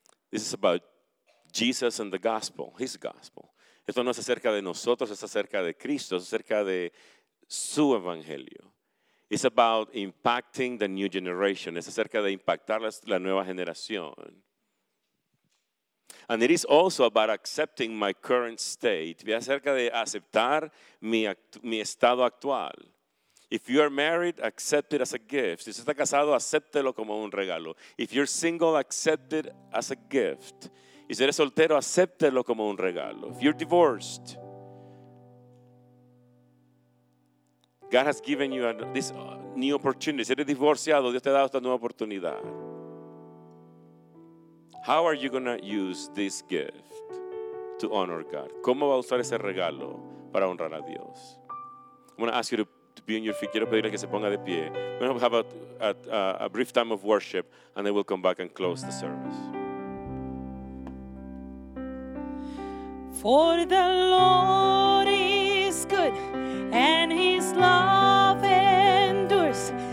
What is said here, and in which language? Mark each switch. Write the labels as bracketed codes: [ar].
[en] This is about Jesus and the gospel, his gospel. [es] Esto no es acerca de nosotros, es acerca de Cristo, es acerca de su evangelio. [en] It's about impacting the new generation. [es] Es acerca de impactar la nueva generación. [en] And it is also about accepting my current state. [es] Es acerca de aceptar mi estado actual. [en] If you are married, accept it as a gift. [es] Si usted está casado, acéptelo como un regalo. [en] If you're single, accept it as a gift. [es] Y si eres soltero, acéptelo como un regalo. [en] If you're divorced, God has given you this new opportunity. [es] Si eres divorciado, Dios te ha dado esta nueva oportunidad. [en] How are you going to use this gift to honor God? [es] ¿Cómo va a usar ese regalo para honrar a Dios? [en] I'm going to ask you to be on your feet. [es] Quiero pedirle que se ponga de pie. [en] We're going to have a brief time of worship, and then we'll come back and close the service. For the Lord is good, and his love endures.